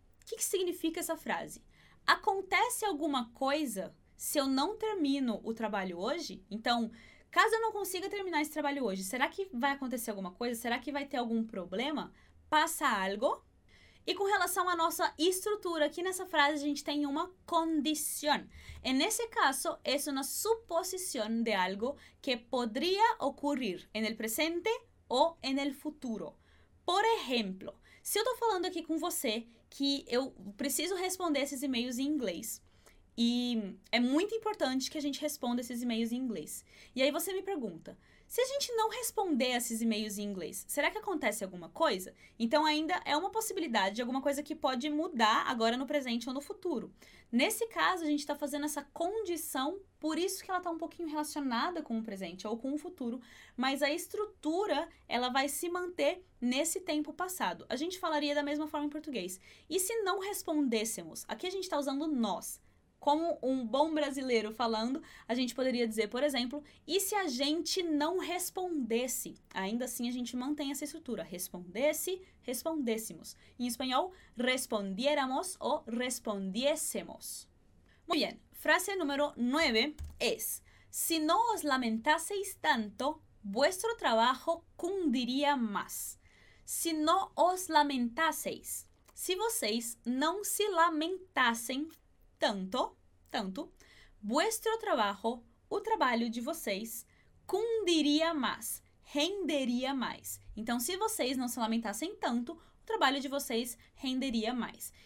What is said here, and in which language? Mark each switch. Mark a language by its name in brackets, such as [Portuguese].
[Portuguese] O que significa essa frase? Acontece alguma coisa se eu não termino o trabalho hoje? Então, caso eu não consiga terminar esse trabalho hoje, será que vai acontecer alguma coisa? Será que vai ter algum problema? [Spanish] Passa algo. [Portuguese] E com relação à nossa estrutura, aqui nessa frase a gente tem uma condição. [Spanish] En ese caso, es una suposición de algo que podría ocurrir en el presente o en el futuro. [Portuguese] Por exemplo, se eu estou falando aqui com você que eu preciso responder esses e-mails em inglês, E é muito importante que a gente responda esses e-mails em inglês. E aí você me pergunta: se a gente não responder esses e-mails em inglês, será que acontece alguma coisa? Então ainda é uma possibilidade de alguma coisa que pode mudar agora no presente ou no futuro. Nesse caso, a gente está fazendo essa condição, por isso que ela está um pouquinho relacionada com o presente ou com o futuro, mas a estrutura ela vai se manter nesse tempo passado. A gente falaria da mesma forma em português. E se não respondêssemos? Aqui a gente está usando nós. Como um bom brasileiro falando, a gente poderia dizer, por exemplo, e se a gente não respondesse? Ainda assim, a gente mantém essa estrutura: respondesse, respondêssemos. Em espanhol, respondiéramos ou respondiésemos. [Spanish] Muy bien, frase número 9 es: si no os lamentaseis tanto, vuestro trabajo cundiría más. Si no os lamentaseis. [Portuguese] Si vocês não se lamentassem tanto, tanto, [Spanish] vuestro trabajo, [Portuguese] o trabalho de vocês, cundiria mais, renderia mais. Então, se vocês não se lamentassem tanto, o trabalho de vocês renderia mais.